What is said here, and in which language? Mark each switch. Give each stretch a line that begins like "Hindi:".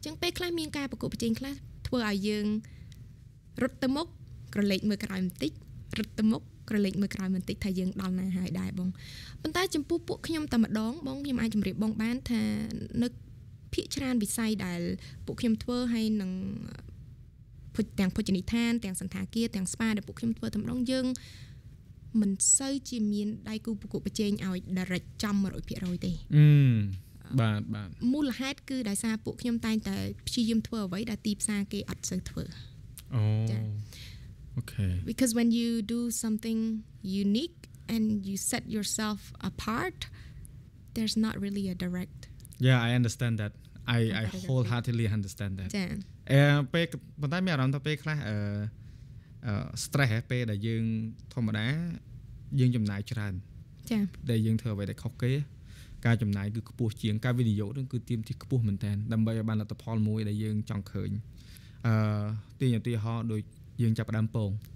Khmer: ញ្ចឹងពេលខ្លះមានការប្រកួតប្រជែងខ្លះធ្វើឲ្យយើងរត់ទៅមុខក្រឡេកមើលក្រោយបន្តិចរត់ទៅមុខក្រឡេកមើលក្រោយបន្តិចថាយើងដល់ណាហើយដែរបងប៉ុន្តែចំពោះពួកខ្ញុំតែម្ដងបងខ្ញុំអាចជម្រាបបងបានថានៅភាគច្រើនវិស័យដែលពួកខ្ញុំធ្វើឲ្យនឹងភូមិទាំងភោជនីយដ្ឋានទាំងសន្តាគារទាំងស្ប៉ាដែលពួកខ្ញុំធ្វើតែម្ដងយើងមិនសូវជាមានដៃគូប្រកួតប្រជែងឲ្យ direct ចំ 100% ទេ បាទបាទ មូលហេតុគឺដោយសារពួកខ្ញុំតែងតែព្យាយាមធ្វើអ្វីដែលទីផ្សារគេអត់សូវធ្វើ អូអូខេ
English: because when you do something unique and you set yourself apart there's not really a direct yeah I understand that I wholeheartedly understand that
Khmer: ចា៎ពេលប៉ុន្តែមានអារម្មណ៍ទៅពេលខ្លះstress ពេលដែលយើងធម្មតាយើងចំណាយច្រើន ចា៎ដែលយើងធ្វើអ្វីដែលខុសគេការចំណាយគឺខ្ពស់ជាងការវិនិយោគនឹងគឺទាមទារខ្ពស់មែនតើដើម្បីឲ្យបានលទ្ធផលមួយដែលយើងចង់ឃើញទាញឧទាហរណ៍ដូចយើងចាប់ដើមពង